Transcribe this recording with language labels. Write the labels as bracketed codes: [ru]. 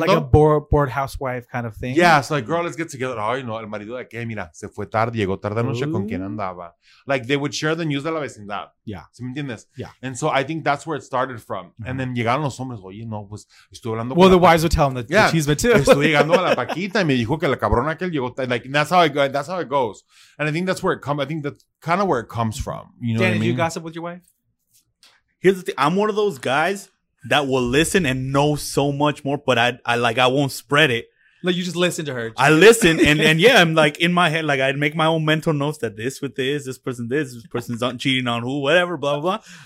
[en] So it's like a bored housewife kind of thing. Yeah, so like, girl, let's get together. Oh, you know, [es] el marido de que, mira, se fue tarde, llegó tarde anoche con quien andaba. [en] Like, they would share the news [es] de la vecindad. [en] Yeah. [es] ¿Sí me entiendes? [en] Yeah. And so I think that's where it started from. [es] Mm-hmm. [en] And then [es] llegaron los hombres, oye, no, pues, estuve hablando [en] con the wives would tell them the cheese, too. [es] Estuve llegando a la paquita y me dijo que la cabrona aquel llegó. [en] Like, that's how it goes. And I think that's where it comes, I think that's kind of where it comes from. You know Dan, what I mean? Do you gossip with your wife? Here's the thing. I'm one of those guys that will listen and know so much more, but I won't spread it. Like, you just listen to her. I listen. And yeah, I'm like in my head, like I'd make my own mental notes that this with this person's cheating on who, whatever, blah, blah, blah.